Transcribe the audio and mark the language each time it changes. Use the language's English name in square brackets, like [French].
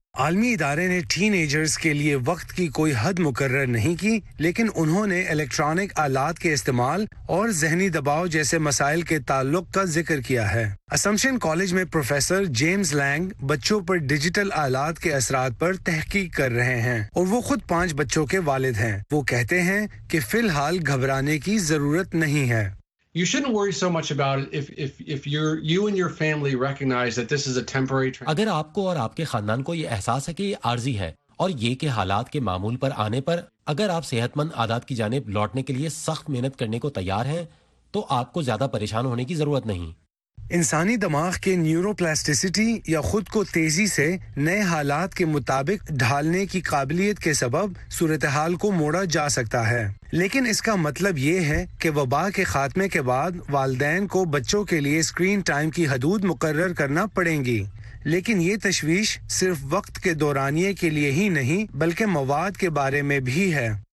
[Urdu] عالمی ادارے نے ٹین ایجرز کے لیے وقت کی کوئی حد مقرر نہیں کی، لیکن انہوں نے الیکٹرانک آلات کے استعمال اور ذہنی دباؤ جیسے مسائل کے تعلق کا ذکر کیا ہے۔ اسمپشن کالج میں پروفیسر جیمز لینگ بچوں پر ڈیجیٹل آلات کے اثرات پر تحقیق کر رہے ہیں اور وہ خود 5 بچوں کے والد ہیں۔ وہ کہتے ہیں کہ فی الحال گھبرانے کی ضرورت نہیں ہے۔ [English] You shouldn't worry so much about if you and your family recognize that this is a temporary trend. [Urdu] اگر آپ کو اور آپ کے خاندان کو یہ احساس ہے کہ یہ عارضی ہے اور یہ کہ حالات کے معمول پر آنے پر اگر آپ صحت مند عادات کی جانب لوٹنے کے لیے سخت محنت کرنے کو تیار ہیں تو آپ کو زیادہ پریشان ہونے کی ضرورت نہیں۔ انسانی دماغ کے نیورو پلاسٹیسٹی یا خود کو تیزی سے نئے حالات کے مطابق ڈھالنے کی قابلیت کے سبب صورتحال کو موڑا جا سکتا ہے، لیکن اس کا مطلب یہ ہے کہ وبا کے خاتمے کے بعد والدین کو بچوں کے لیے سکرین ٹائم کی حدود مقرر کرنا پڑیں گی۔ لیکن یہ تشویش صرف وقت کے دورانیے کے لیے ہی نہیں بلکہ مواد کے بارے میں بھی ہے۔